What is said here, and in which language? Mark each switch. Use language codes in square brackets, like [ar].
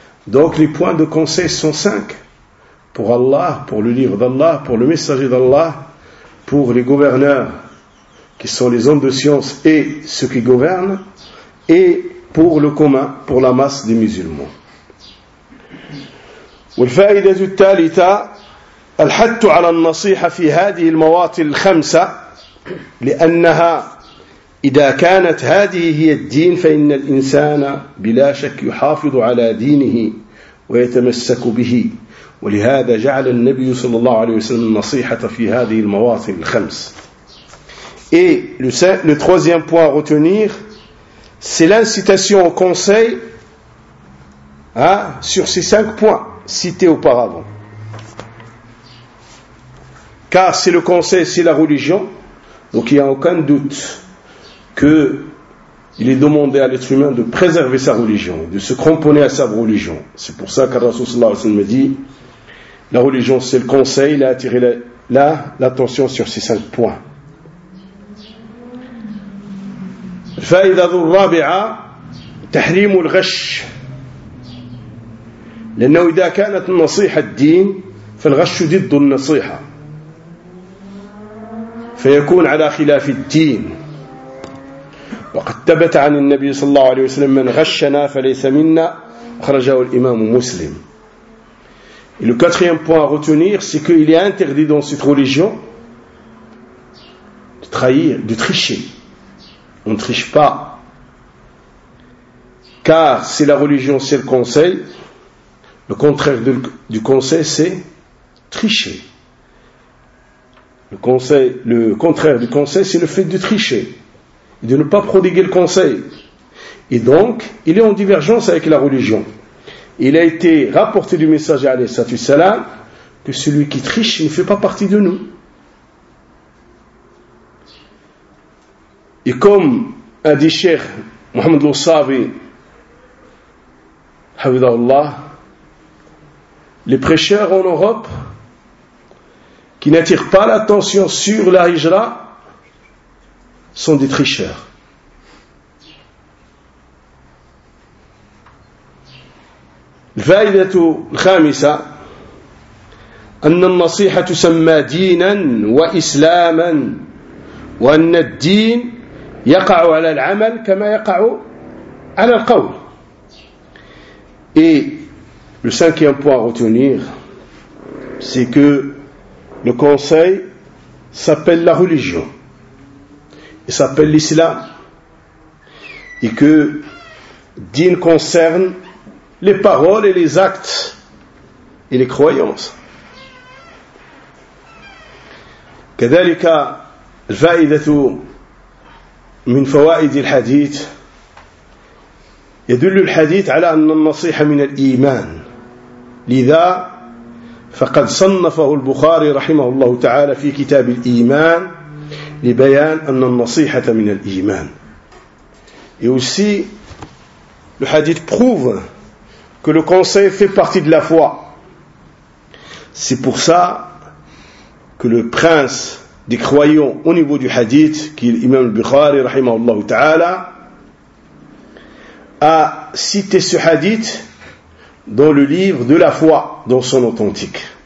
[fr] Donc les points de conseil sont 5 pour Allah, pour le livre d'Allah, pour le messager d'Allah, pour les gouverneurs qui sont les hommes de science et ceux qui gouvernent, et pour le commun, pour la masse des musulmans. [ar] والفائدة الثالثة الحث على النصيحة في هذه المواطن الخمسة لأنها إذا كانت هذه هي الدين فإن الإنسان بلا شك يحافظ على دينه ويتمسك به ولهذا جعل النبي صلى الله عليه وسلم النصيحة في هذه المواطن الخمس. [fr] Et le troisième point à retenir, c'est l'incitation au conseil, sur ces 5 points cité auparavant. Car c'est le conseil, c'est la religion, donc il n'y a aucun doute qu'il est demandé à l'être humain de préserver sa religion, de se cramponner à sa religion. C'est pour ça que Rasoul sallallahu alayhi wa sallam dit, la religion c'est le conseil, il a attiré l'attention sur ces 5 points. [ar] الفائدة الرابعة تحريم الغش لأنه إذا كانت النصيحة الدين فالغش ضد النصيحة فيكون على خلاف الدين وقد ثبت عن النبي صلى الله عليه وسلم من غشنا فليس منا أخرجه الإمام مسلم. [fr] Et le quatrième point à retenir, c'est qu'il est interdit dans cette religion de trahir, de tricher. On ne triche pas, car c'est la religion, c'est le conseil. Le contraire du conseil, c'est tricher. Le contraire du conseil, c'est le fait de tricher, de ne pas prodiguer le conseil. Et donc, il est en divergence avec la religion. Il a été rapporté du messager alayhi salam que celui qui triche ne fait pas partie de nous. Et comme a dit Cheikh Mohamed Loussavi, Havidallah, les prêcheurs en Europe qui n'attirent pas l'attention sur la hijra sont des tricheurs. [ar] الفائدة الخامسة أن النصيحة تسمى دينا وإسلاما وأن الدين يقع على العمل كما يقع على القول. [fr] Et le cinquième point à retenir, c'est que le conseil s'appelle la religion, il s'appelle l'islam, et que din concerne les paroles et les actes et les croyances. [ar] كذلك الفائدة من فوائد الحديث يدل الحديث على أن النصيحة من الإيمان لذا فقد صنفه البخاري رحمه الله تعالى في كتاب الإيمان لبيان أن النصيحة من الإيمان. [fr] Et aussi le hadith prouve que le conseil fait partie de la foi. C'est pour ça que le prince des croyants au niveau du hadith, qui est l'imam al-Bukhari, rahimahullah ta'ala, a cité ce hadith dans le livre de la foi, dans son authentique.